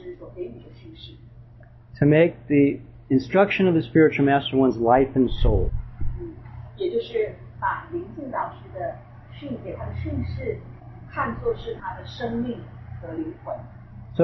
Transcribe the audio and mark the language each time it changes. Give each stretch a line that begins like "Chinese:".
Chinese: 一个人最所能够做的最好最高的智力，就是能够坚定不移的遵循这个灵性导师所给予的训示。
English: To make the instruction of the spiritual master one's life and soul.
Chinese: 也就是把灵性导师的训诫，他的训示，看作是他的生命和灵魂。
English: So